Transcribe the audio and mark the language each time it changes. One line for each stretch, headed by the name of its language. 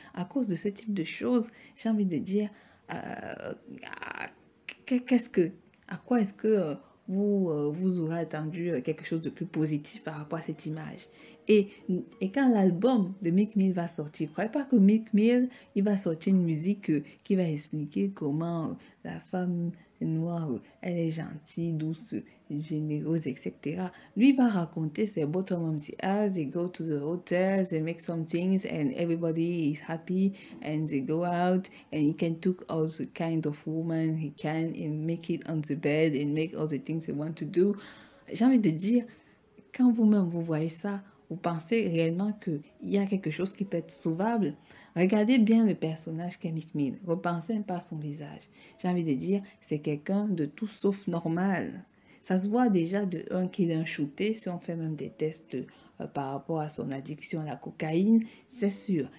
French: À cause de ce type de choses, j'ai envie de dire, à quoi est-ce que vous aurez attendu quelque chose de plus positif par rapport à cette image. Et quand l'album de Meek Mill va sortir, ne croyez pas que Meek Mill, il va sortir une musique qui va expliquer comment la femme noire, elle est gentille, douce, généreuse, etc. Lui va raconter ses
English: bottom of the house, they go to the hotel, they make some things, and everybody is happy, and they go out, and he can take all the kind of woman he can, and make it on the bed, and make all the things he want to do.
French: J'ai envie de dire, quand vous-même vous voyez ça, vous pensez réellement qu'il y a quelque chose qui peut être sauvable? Regardez bien le personnage qu'est Meek Mill. Repensez un peu à son visage. J'ai envie de dire, c'est quelqu'un de tout sauf normal. Ça se voit déjà de un qu'il est un shooté, si on fait même des tests par rapport à son addiction à la cocaïne, c'est sûr.